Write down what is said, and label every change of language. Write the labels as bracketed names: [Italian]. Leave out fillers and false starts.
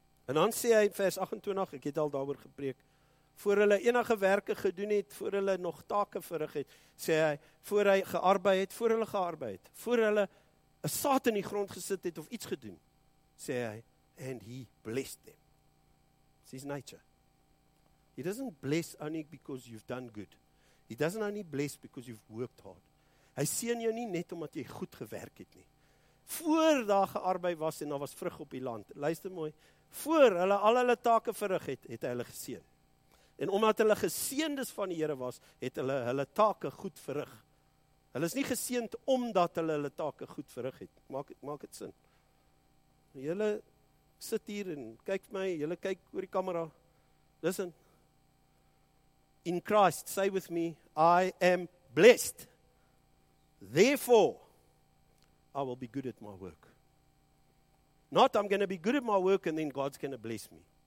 [Afrikaans] En dan sê hy in vers 28, ek het al daaroor gepreek, voor hulle enige werke gedoen het, voor hulle nog take verrig het, sê hy, voor hy gearbeid het, voor hulle gearbeid het, voor hulle een saad in die grond gesit het of iets gedoen, sê hy, [English] and he blessed them. It's his nature. He doesn't bless only because you've done good. He doesn't only bless because you've worked hard. [Afrikaans] Hy seën jou nie net omdat jy goed gewerk het nie. Voor daar gearbeid was en daar was vrug op die land, luister mooi, voor hulle al hulle take verrig het, het hy hulle geseën. En omdat hulle geseënd is van die Here was, het hulle hulle take goed verrig. Hulle is nie geseënd omdat hulle hulle take goed verrig het. Maak het sin. Julle sit hier en kyk my, julle kyk oor die kamera. [English] Listen. In Christ, say with me, I am blessed. Therefore, I will be good at my work. Not I'm going to be good at my work and then God's going to bless me.